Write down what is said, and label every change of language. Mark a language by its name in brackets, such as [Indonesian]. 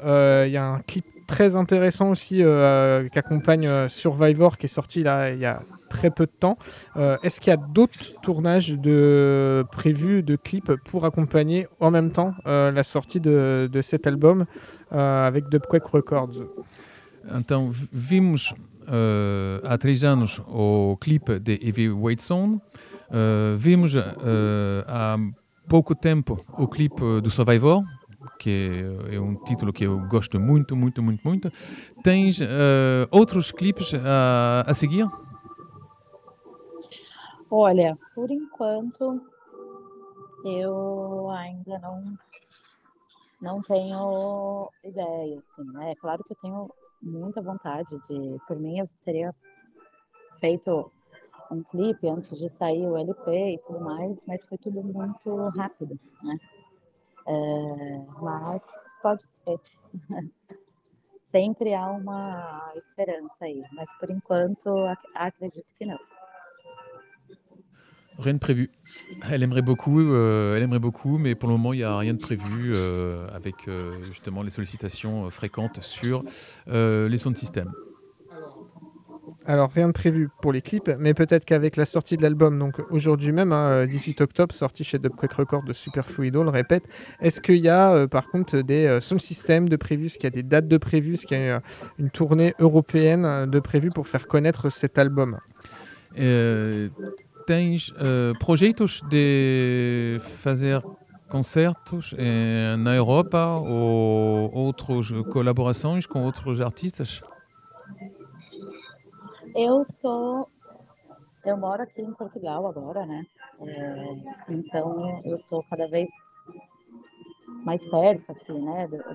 [French] Il y a un clip très intéressant aussi qu'accompagne Survivor, qui est sorti là il y a très peu de temps. Est-ce qu'il y a d'autres tournages prévus de clips pour accompagner en même temps la sortie de cet album avec Dubquake Records? [Portuguese] Então, vimos há 3 anos o clipe de Heavy Weight Sound, vimos há pouco tempo o clipe do Survivor, que é um título que eu gosto muito, muito, muito, muito. Tens outros clipes a seguir? Olha, por enquanto eu ainda não tenho ideia, assim, né? É claro que eu tenho muita vontade de, por mim eu teria feito um clipe antes de sair o LP e tudo mais, mas foi tudo muito rápido, né? Mas pode ser. Sempre há uma esperança aí, mas por enquanto acredito que não. [French] Rien de prévu. Elle aimerait beaucoup, mais pour le moment, il n'y a rien de prévu avec justement les sollicitations fréquentes sur les sons de système. Alors, rien de prévu pour les clips, mais peut-être qu'avec la sortie de l'album, donc aujourd'hui même, 18 octobre, sorti chez Dubquake Records de Superfluido, on le répète, est-ce qu'il y a par contre des sons de système de prévu, est-ce qu'il y a des dates de prévu, est-ce qu'il y a une tournée européenne de prévu pour faire connaître cet album? [Portuguese] Tens projetos de fazer concertos na Europa ou outras colaborações com outros artistas? Eu moro aqui em Portugal agora, né? Então eu estou cada vez mais perto aqui, né?